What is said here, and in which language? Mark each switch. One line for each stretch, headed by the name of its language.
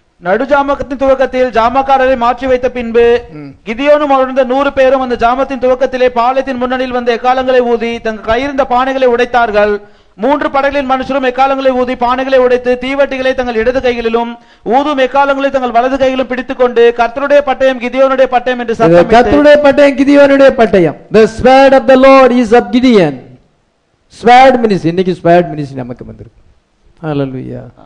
Tamil: நடுஜாமகத்தின் துவக்கத்தில் ஜாமக்காரரை மாற்றி வைத்த பின்பு கிதியோனும் அவருந்த 100 பேரும் அந்த ஜாமத்தின் துவக்கத்திலே பாளையத்தின் முன்னணியில் வந்து எக்காலங்களை ஊதி தங்கள் கையிருந்த பானைகளை உடைத்தார்கள். 3 படைகளின் மனுஷரும் எக்காலங்களை ஊதி பானைகளை உடைத்து தீவட்டிகளை தங்கள் இடது கைகளிலும் ஊதும் எக்காலங்களை தங்கள் வலது கைகளிலும் பிடித்துக் கொண்டு கர்த்தருடைய பட்டயம் கிதியோனுடைய பட்டயம் என்று கர்த்தருடைய பட்டயம் கிதியோனுடைய பட்டயம்.
English: The sword of the Lord is of Gideon. Sword ministry.
Tamil: இன்னைக்கு sword ministry நமக்கு வந்திருக்கு. Hallelujah.